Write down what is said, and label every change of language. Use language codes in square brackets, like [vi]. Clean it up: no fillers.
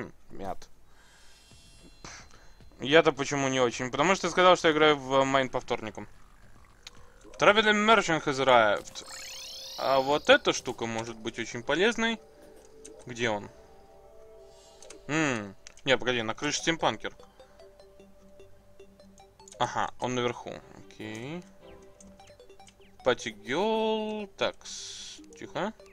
[ru] Мят. Я-то почему не очень? Потому что ты сказал, что я играю в Майн по вторникам. [en] Traveling Merchant has arrived. [ru] А вот эта штука может быть очень полезной. Где он? Не, погоди, на крыше стимпанкер. Ага, он наверху. Окей. Party girl. Так, тихо.